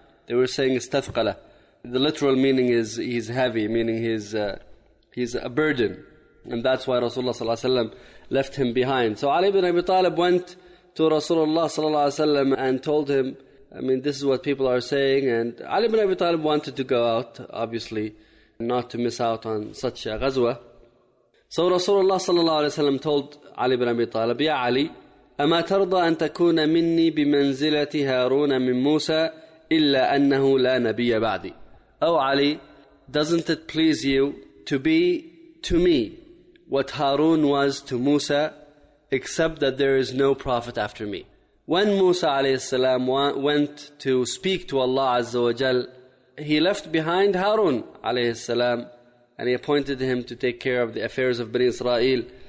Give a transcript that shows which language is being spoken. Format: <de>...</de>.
<en>They were saying istathqala. The literal meaning is he's heavy, meaning he's a burden. And that's why Rasulullah sallallahu alayhi wa sallam left him behind. So Ali ibn Abi Talib went to Rasulullah sallallahu alayhi wa sallam and told him, I mean, this is what people are saying. And Ali ibn Abi Talib wanted to go out, obviously, not to miss out on such a ghazwa. So Rasulullah sallallahu alayhi wa sallam told Ali ibn Abi Talib, Ya Ali,</en> <ar>أما ترضى أن تكون مني بمنزلة هارون من موسى إلا أنه لا نبي بعدي.</ar> <en>Oh Ali, doesn't it please you to be to me what Harun was to Musa, except that there is no prophet after me? When Musa عليه السلام went to speak to Allah عزّ وجل, he left behind Harun عليه السلام, and he appointed him to take care of the affairs of Bani Israel.</en>